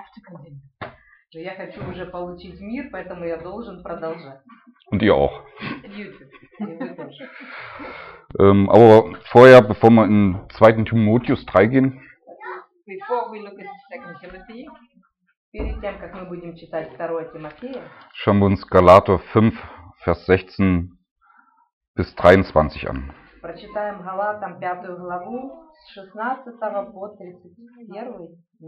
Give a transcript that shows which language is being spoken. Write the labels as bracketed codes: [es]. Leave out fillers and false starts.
[ru] Но я хочу уже получить мир, поэтому я должен продолжать. [de] Und ihr auch. [en] YouTube. [de] Aber vorher, bevor wir in 2. Timotheus 3 gehen, [en] Before we look at 2 Timothy, [ru] перед тем, как мы будем читать 2 Тимофея, [de] schauen wir uns Galater 5, Vers 16 bis 23 an. [ru] Прочитаем Галатам 5 главу с 16 по 31.